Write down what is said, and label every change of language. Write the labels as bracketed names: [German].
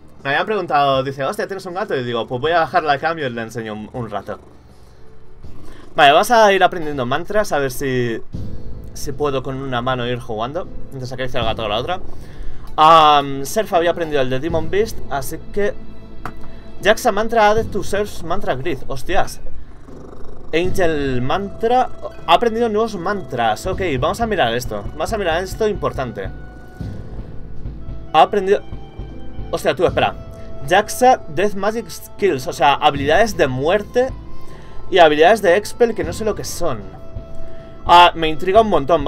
[Spanish] Me habían preguntado, dice, hostia, ¿tienes un gato? Y digo, pues voy a bajarla al cambio y le enseño un rato. Vale, vas a ir aprendiendo mantras, a ver si puedo con una mano ir jugando. Mientras acaricia el gato con la otra. Surf había aprendido el de Demon Beast, así que... [English] Jaxa Mantra added to Surf's Mantra Grid, hostias. Angel Mantra... [Spanish] Ha aprendido nuevos mantras, ok, vamos a mirar esto. Vamos a mirar esto importante. Ha aprendido... Hostia, tú, espera. [English] Jaxa Death Magic Skills, [Spanish] o sea, habilidades de muerte... Y habilidades de Expel que no sé lo que son. Me intriga un montón.